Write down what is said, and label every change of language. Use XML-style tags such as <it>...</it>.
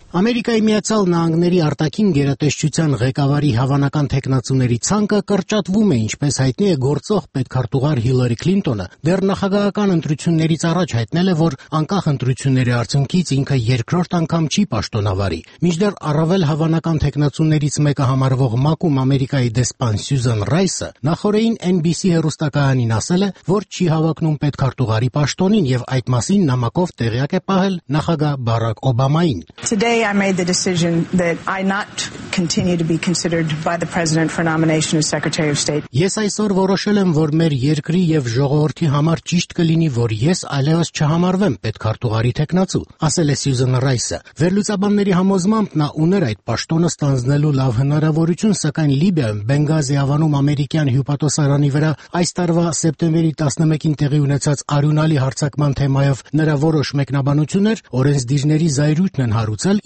<hy>Ամերիկայի Միացյալ Նահանգների արտաքին գերատեսչության ղեկավարի հավանական թեկնածուների ցանկը կրճատվում է, ինչպես հայտնի է գործող պետքարտուղար Հիլարի Քլինտոնը։ Դեռ նախագահական ընտրություններից առաջ հայտնել է, որ անկախ ընտրությունների արդյունքից ինքը երկրորդ անգամ չի պաշտոնավարի։ Մինչդեռ առավել հավանական թեկնածուններից մեկը համարվող Մակում Ամերիկայի դեսպան Սյուզան Ռայսը նախորդին NBC հեռուստակայանին ասել է, որ չի հավակնում պետքարտուղարի պաշտոնին եւ այդ մասին նամակով տեղյակ է պահել նախագահ Բարակ Օբամային։</hy> <en>Today I made the decision that I not continue to be considered by the president for nomination as secretary of state.</en> <hy>Ես այսօր որոշել եմ, որ մեր երկրի եւ ժողովրդի համար ճիշտ կլինի, որ ես այլևս չհամարվեմ պետքարտուղարի թեկնածու, ասել է Սյուզան Ռայսը։ Վերլուծաբանների համոզմամբ նա ուներ այդ պաշտոնը ստանձնելու լավ հնարավորություն, սակայն Լիբիայում Բենգազի ավանում ամերիկյան հյուպատոսարանի վրա այս տարվա սեպտեմբերի 11-ին տեղի ունեցած արյունալի հարձակման թեմայով նրա որոշ մեկնաբանություններ օրենսդիրների զայրույթն են հարուցել,</hy>